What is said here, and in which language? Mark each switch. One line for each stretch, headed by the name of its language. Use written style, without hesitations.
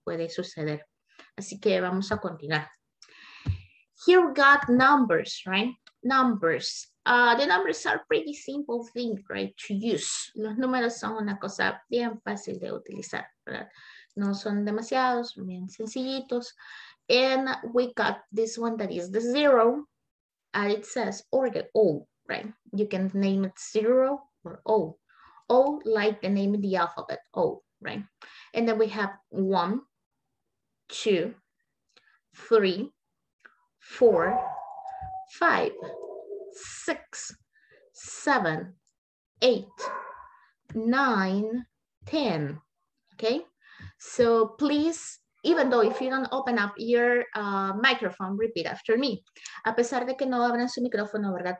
Spanish: Puede suceder. Así que vamos a continuar.
English: Here we got numbers, right? Numbers. The numbers are pretty simple thing, right? To use.
Spanish: Los números son una cosa bien fácil de utilizar, ¿verdad? No son demasiados, bien sencillitos.
English: And we got this one that is the zero. And it says, or the O, right? You can name it zero or O. O like the name of the alphabet, O, right? And then we have one, two, three, four, five, six, seven, eight, nine, ten. Okay, so please, even though if you don't open up your microphone, repeat after me.
Spanish: A pesar de que no abran su micrófono, ¿verdad?